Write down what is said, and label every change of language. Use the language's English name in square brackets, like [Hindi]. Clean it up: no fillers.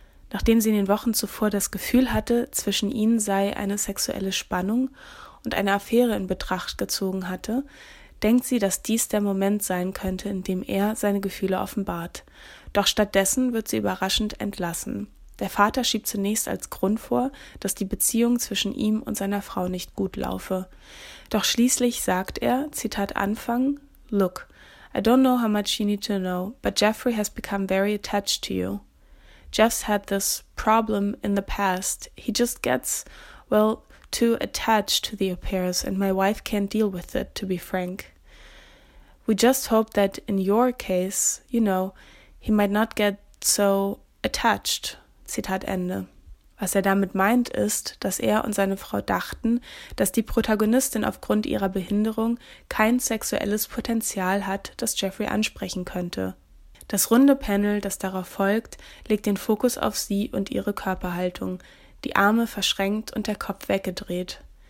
[German] Nachdem sie in den Wochen zuvor das Gefühl hatte, zwischen ihnen sei eine sexuelle Spannung und eine Affäre in Betracht gezogen hatte, denkt sie, dass dies der Moment sein könnte, in dem er seine Gefühle offenbart. Doch stattdessen wird sie überraschend entlassen. Der Vater schiebt zunächst als Grund vor, dass die Beziehung zwischen ihm und seiner Frau nicht gut laufe. Doch schließlich sagt er, Zitat Anfang, [English] »Look, I don't know how much you need to know, but Jeffrey has become very attached to you. Jeff's had this problem in the past. He just gets, well, too attached to the affairs, and my wife can't deal with it, to be frank. We just hope that in your case, you know, he might not get so attached.« [German] Zitat Ende. Was er damit meint, ist, dass er und seine Frau dachten, dass die Protagonistin aufgrund ihrer Behinderung kein sexuelles Potenzial hat, das Jeffrey ansprechen könnte. Das runde Panel, das darauf folgt, legt den Fokus auf sie und ihre Körperhaltung, die Arme verschränkt und der Kopf weggedreht.